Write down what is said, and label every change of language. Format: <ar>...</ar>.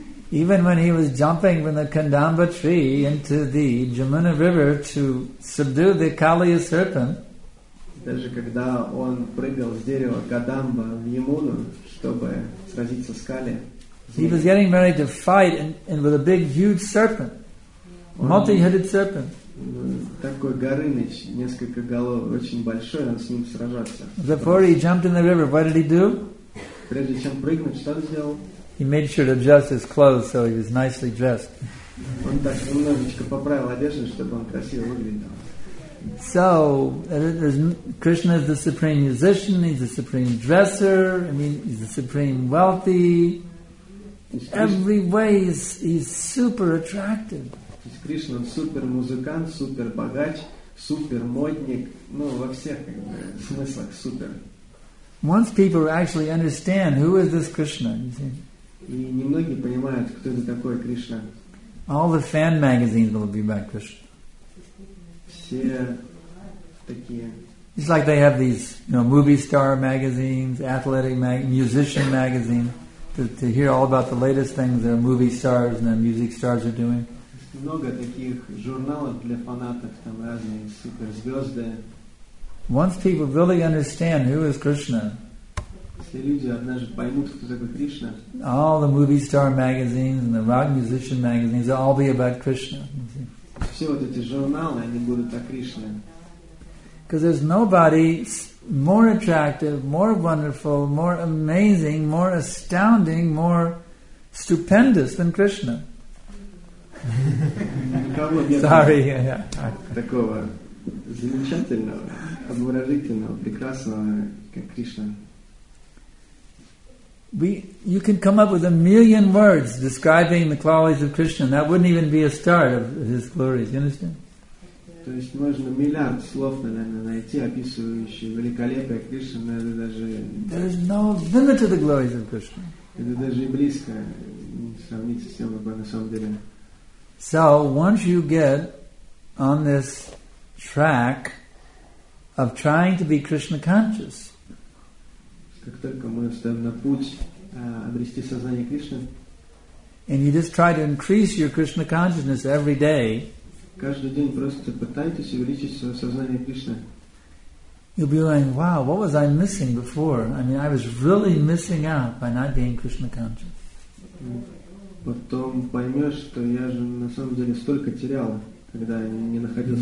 <en>Even when he was jumping from the Kadamba tree into the Jamuna River to subdue the Kaliya serpent,</en> <ru>даже когда он прыгал с дерева Кадамба в Ямуну, чтобы сразиться с Кали,</ru> <en>he was getting ready to fight and with a big, huge serpent, multi-headed serpent.</en> <ru>Такой горыныч, несколько голов, очень большой, он с ним сражаться.</ru> <en>Before he jumped in the river, what did he do?</en> <ru>Прежде чем прыгнуть, что он сделал?</ru> <en>He made sure to adjust his clothes so he was nicely dressed.</en> <ru>Он так немножечко поправил одежду, чтобы он красиво выглядел.</ru> <en>So, Krishna is the supreme musician, he's the supreme dresser, I mean, he's the supreme wealthy. Every way he's super attractive.</en> <ru>Кришна он супер музыкант, супер богач, супер модник, ну во всех смыслах супер.</ru> <en>Once people actually understand who is this Krishna, you see.</en> <ru>И немногие понимают, кто это такой Кришна.</ru> <en>All the fan magazines will be about Krishna.</en> <ru>Все такие.</ru> <en>It's like they have these, you know, movie star magazines, athletic musician magazine, to hear all about the latest things their movie stars and their music stars are doing.</en> <ru>Много таких журналов для фанатов, там разные суперзвезды.</ru> <en>Once people really understand who is Krishna,</en> <ru>если люди однажды поймут, кто такой Кришна,</ru> <en>all the movie star magazines and the rock musician magazines will all be about Krishna.</en> <ru>Все вот эти журналы, они будут о Кришне.</ru> <en>Because there's nobody more attractive, more wonderful, more amazing, more astounding, more stupendous than Krishna. Sorry.</en> <ru>Такого замечательного, обворожительного, прекрасного, как Кришна.</ru> <en>You can come up with a million words describing the qualities of Krishna. That wouldn't even be a start of his glories. You understand?</en> <ru>То есть можно миллиард слов, наверное, найти, описывающие великолепие Кришны, но это даже.</ru> <en>There is no limit to the glories of Krishna.</en> <ru>Это даже и близко не сравнится с тем, как на самом деле.</ru> <en>So once you get on this track of trying to be Krishna conscious.</en> <ru>Как только мы встаем на путь обрести сознание Кришны.</ru> <en>And you just try to increase your Krishna consciousness every day.</en> <ru>Каждый день просто пытайтесь увеличить свое сознание Кришны.</ru> <en>You'll be like, wow, what was I missing before? I mean, I was really missing out by not being Krishna conscious.</en> <ru>Потом поймешь, что я же на самом деле столько терял, когда не находился.</ru>